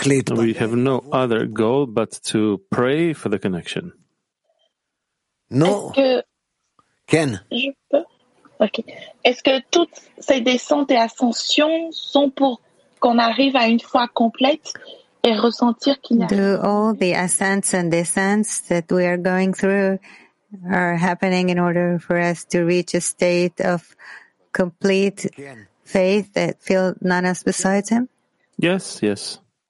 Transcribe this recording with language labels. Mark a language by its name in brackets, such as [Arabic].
[English] We have no other goal but to pray for the connection. No. [French] Ken. Je peux. Okay. Est-ce que toutes ces descentes et ascensions sont pour qu'on arrive à une foi complète et ressentir qu'il y a... [English] Do all the ascents and descents that we are going through are happening in order for us to reach a state of complete faith that feel none else besides Him? Yes, yes.